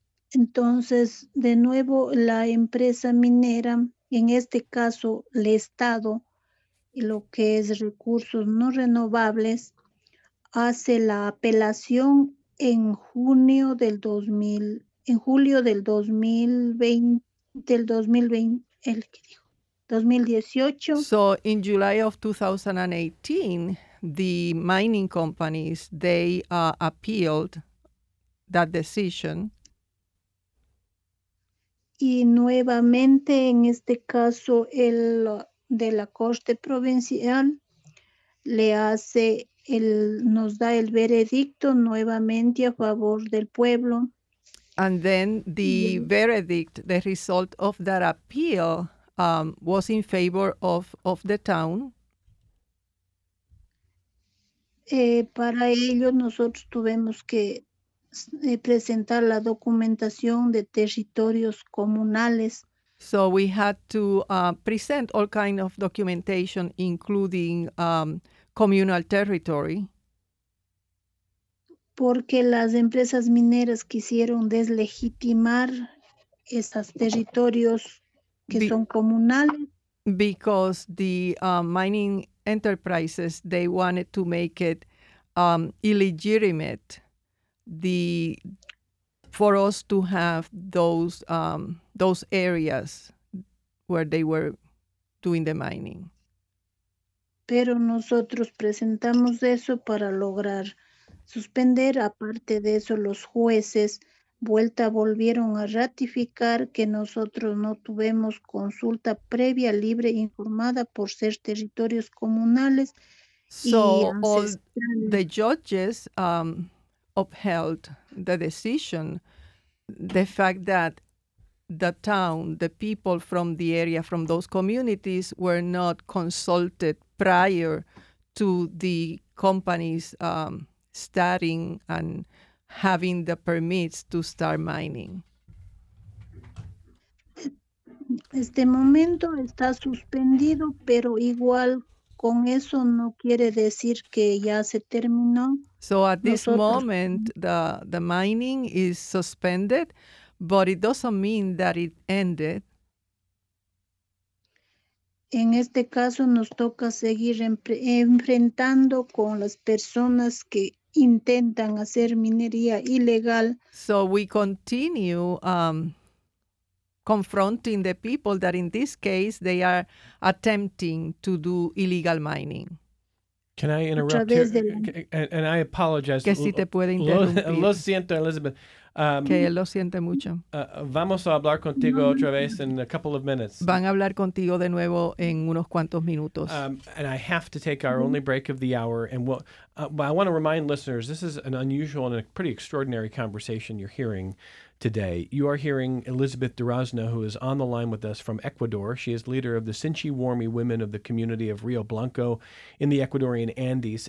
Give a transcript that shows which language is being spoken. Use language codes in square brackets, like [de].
[es] Entonces, de nuevo, la empresa minera, en este caso, el Estado, lo que es recursos no renovables, hace la apelación en julio del 2018. [en] So in July of 2018, the mining companies, they appealed that decision. [es] Y nuevamente, en este caso, el de la Corte Provincial le hace el, nos da el veredicto nuevamente a favor del pueblo. [en] And then the verdict, the result of that appeal, was in favor of the town. [es] Para ello, nosotros tuvimos que presentar la documentación de territorios comunales. [en] So we had to present all kind of documentation, including communal territory. [es] Porque las empresas mineras quisieron deslegitimar esos territorios que son comunales. [en] Because the mining enterprises, they wanted to make it illegitimate for us to have those areas where they were doing the mining. [es] Pero nosotros presentamos eso para lograr suspender. Aparte de eso, los jueces volvieron a ratificar que nosotros no tuvimos consulta previa, libre, informada por ser territorios comunales. [en] So all the judges upheld the decision, the fact that the town, the people from the area, from those communities, were not consulted prior to the companies starting and having the permits to start mining. [es] Este momento está suspendido, pero igual con eso no quiere decir que ya se terminó. [en] So at this moment, the mining is suspended, but it doesn't mean that it ended. [es] En este caso, nos toca seguir enfrentando con las personas que intentan hacer minería ilegal. [en] So we continue confronting the people that in this case, they are attempting to do illegal mining. Can I interrupt here? And I apologize. [es] Que si te puede interrumpir. Lo siento, Elizabeth. Que él lo siente mucho. Vamos a hablar contigo otra vez [en] in a couple of minutes. [es] Van a hablar contigo de nuevo en unos cuantos minutos. [en] And I have to take our only break of the hour. And I want to remind listeners, this is an unusual and a pretty extraordinary conversation you're hearing today. You are hearing Elizabeth Durazno, who is on the line with us from Ecuador. She is leader of the Sinchi Warmi Women of the community of Rio Blanco in the Ecuadorian Andes.